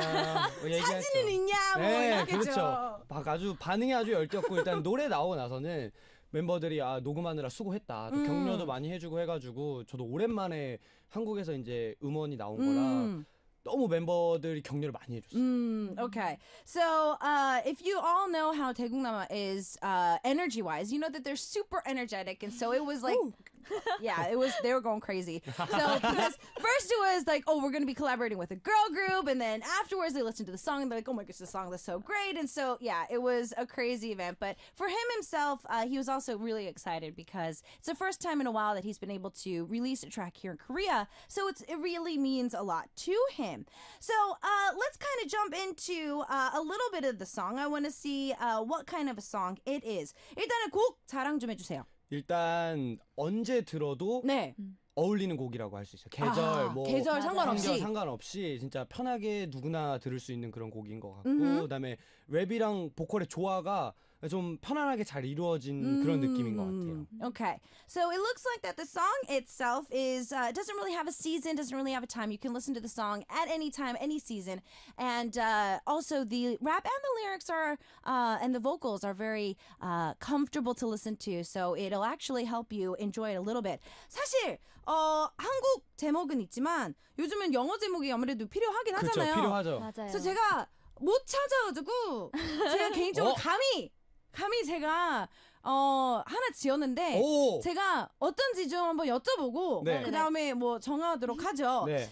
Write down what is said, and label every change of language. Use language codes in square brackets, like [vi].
[ko] 사진은 있냐, 뭐 네, 이렇게죠. 그렇죠. 막 아주 반응이 아주 열띠었고 일단 노래 나오고 나서는 멤버들이 아 녹음하느라 수고했다, 또 격려도 많이 해주고 해가지고 저도 오랜만에 한국에서 이제 음원이 나온 거라. 너무 멤버들이 격려를 많이 해줬어요. [en] Okay. So, if you all know how Daegungnam-a is energy-wise, you know that they're super energetic. And so it was like, yeah, it was they were going crazy. So, because first it was like, oh, we're going to be collaborating with a girl group. And then afterwards they listened to the song and they're like, oh my gosh, the song is so great. And so, yeah, it was a crazy event. But for him himself, he was also really excited because it's the first time in a while that he's been able to release a track here in Korea. So it really means a lot to him. So let's kind of jump into a little bit of the song. I want to see what kind of a song it is. [ko] 일단은 곡 자랑 좀 해주세요. 일단 언제 들어도 네. 어울리는 곡이라고 할 수 있어요. 계절 아, 뭐 계절 상관없이 계절 상관없이 진짜 편하게 누구나 들을 수 있는 그런 곡인 것 같고 mm-hmm. 그다음에 랩이랑 보컬의 조화가 좀 편안하게 잘 이루어진 mm-hmm. 그런 느낌인 것 같아요. [en] Okay, so it looks like that the song itself is doesn't really have a season, doesn't really have a time. You can listen to the song at any time, any season, and also the rap and the lyrics are and the vocals are very comfortable to listen to. So it'll actually help you enjoy it a little bit. [ko] 사실 한국 제목은 있지만 요즘은 영어 제목이 아무래도 필요하긴 하잖아요. 그렇죠, 필요하죠. 맞아요. 그래서 제가 못 찾아가지고 제가 개인적으로 감히 제가 하나 지었는데 오! 제가 어떤지 좀 한번 여쭤보고 네. 그 다음에 뭐 정하도록 하죠. 네.